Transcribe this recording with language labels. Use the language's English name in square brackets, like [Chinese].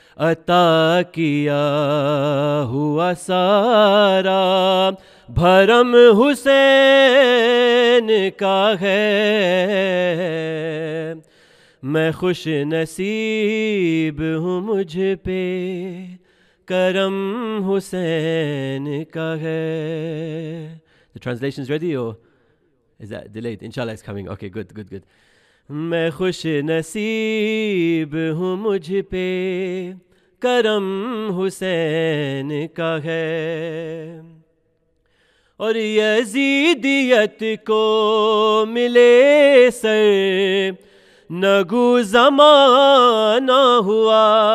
[Hindi] अता किया हुआ सारा भरम हुसैन का है, मैं खुश नसीब हूँ मुझ पे करम हुसैन का है. [English] The translation's ready or is that delayed? Inshallah, it's coming. Okay, good, good, good. [Hindi] मैं खुश नसीब हूँ मुझ पे करम हुसैन का है, और यजीदियत को मिले सर नगु जमाना हुआ,